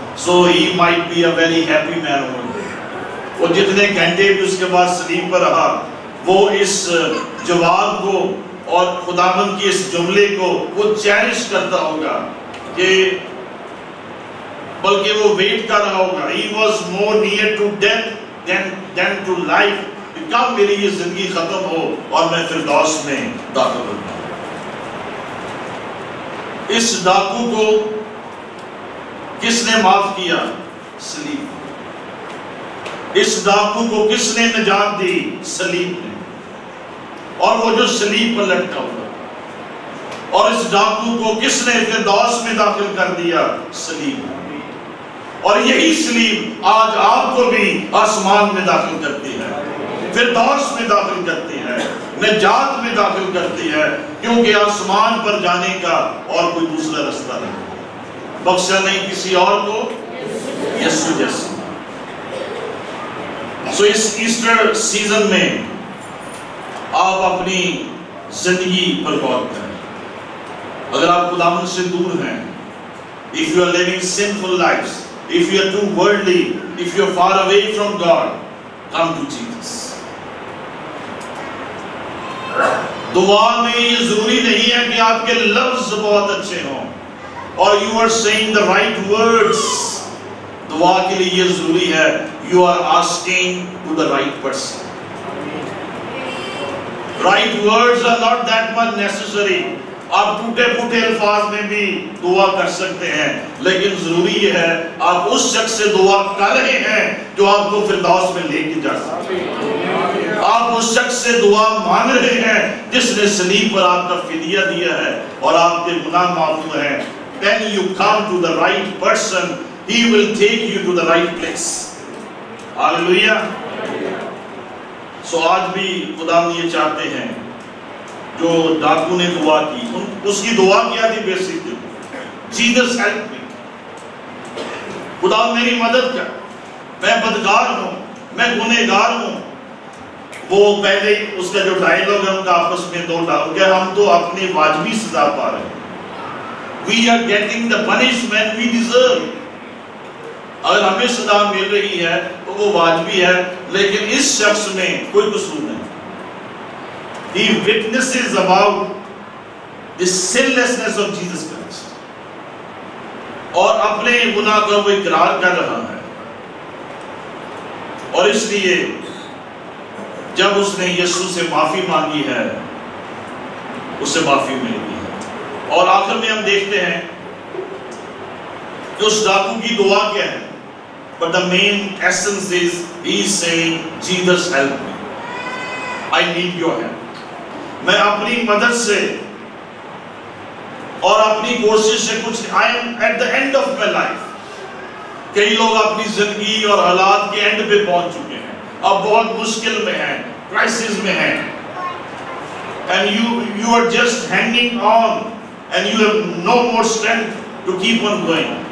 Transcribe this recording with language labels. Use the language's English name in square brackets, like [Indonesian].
[English] So he might be a very happy man. [Urdu] وہ جتنے گھنٹے بھی اس کے بعد صلیب پر رہا وہ اس جواب کو اور خداوند کی اس جملے کو وہ چیریش کرتا ہوگا, کہ بلکہ وہ ویٹ کر رہا ہوگا. [English] He was more near to death than to life. [Urdu] کب میری یہ زندگی ختم ہو اور میں فردوس میں داخل ہوں. اس ڈاکو کو کس نے معاف کیا؟ صلیب. اس ڈاکو کو کس نے نجات دی؟ صلیب نے. اور وہ جو صلیب پر لٹکا ہوا, اور اس ڈاکو کو کس نے فردوس میں داخل کر دیا؟ صلیب. اور یہی صلیب آج آپ کو بھی آسمان میں داخل کرتی ہے, فردوس میں داخل کرتی ہے, نجات میں داخل کرتی ہے, کیونکہ آسمان پر جانے کا اور کوئی دوسرا رستہ نہیں, بخشا نہیں کسی اور کو, یسوع جیسے. سو اس ایسٹر سیزن میں آپ اپنی زندگی پر غور کریں. اگر آپ خداوند سے دور ہیں, [English] if you are living sinful lives, if you are too worldly, if you are far away from God, come to Jesus. [Urdu] دعا میں یہ ضروری نہیں ہے کہ آپ کے لفظ بہت اچھے ہوں اور [English] you are saying the right words. [Urdu] دعا کے لیے یہ ضروری ہے [English] you are asking to the right person. Right words are not that much necessary. [Urdu] آپ ٹوٹے پھوٹے الفاظ میں بھی دعا کر سکتے ہیں, لیکن ضروری یہ ہے آپ اس شخص سے دعا کر رہے ہیں جو آپ کو فردوس میں لے کے جا سکتے ہیں. آپ اس شخص سے دعا مانگ رہے ہیں جس نے صلیب پر آپ کا فدیہ دیا ہے اور آپ کے گناہ معاف ہوئے ہیں. [English] When you come to the right person, he will take you to the right place. Hallelujah. [Urdu] سو آج بھی خدا یہ چاہتے ہیں جو ڈاکو نے دعا کی, اس کی دعا کیا تھی بیسک, [English] Jesus help me, [Urdu] خدا میری مدد کر, میں بدکار ہوں, میں گنہگار ہوں. وہ پہلے اس کا جو ڈائلوگ ہے ان کا آپس میں دو ڈائلوگ ہے, ہم تو اپنی واجبی سزا پا رہے ہیں, [English] We are getting the punishment we deserve. [Urdu] اگر ہمیں سزا مل رہی ہے تو وہ واجبی ہے, لیکن اس شخص میں کوئی قصور نہیں. [English] He witnesses about the sinlessness of Jesus Christ. [Urdu] اور اپنے گناہ کا وہ اقرار کر رہا ہے, اور اس لیے جب اس نے یسوع سے معافی مانگی ہے اسے معافی مل گئی ہے. اور آخر میں ہم دیکھتے ہیں کہ اس ڈاکو کی دعا کیا ہے. [English] But the main essence is, he is saying, Jesus help me. I need your help. [Urdu] میں اپنی مدد سے اور اپنی کوشش سے کچھ, [English] I am at the end of my life. [Urdu] کئی لوگ اپنی زندگی اور حالات کے اینڈ پہ پہنچ چکے ہیں, اب بہت مشکل میں ہیں, کرائسس میں ہیں, [English] and you are just hanging on and you have no more strength to keep on going.